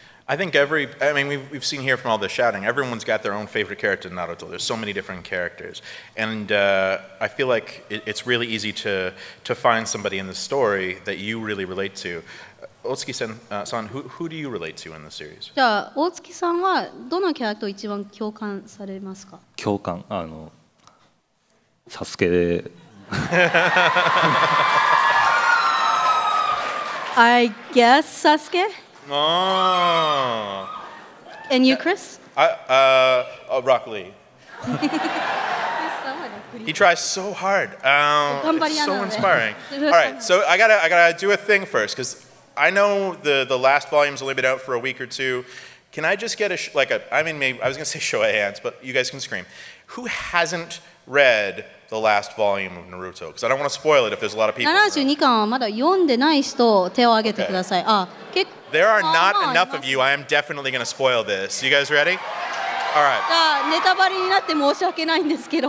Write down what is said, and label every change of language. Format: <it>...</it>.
<en>I think we've seen here from all the shouting, everyone's got their own favorite character in Naruto. There's so many different characters. And I feel like it's really easy to find somebody in the story that you really relate to. Otsuki-san, who do you relate to in the series?</en> <ja>じゃあ、大月さんはどのキャラクターを一番共感されますか? 共感?サスケ</ja> <en>I guess Sasuke? Oh. And you, Chris? Rock Lee. He tries so hard. It's so inspiring. All right, so I gotta do a thing first, because I know the last volume's only been out for a week or two. Can I just get I was gonna say show of hands, but you guys can scream. Who hasn't read the last volume of Naruto? Because I don't want to spoil it if there's a lot of people.</en> <ja>72巻はまだ読んでない人手を挙げてください.</ja> <en>There are not enough of you. I am definitely going to spoil this. You guys ready? All right.</en> <ja>ネタバレになって申し訳ないんですけど.</ja>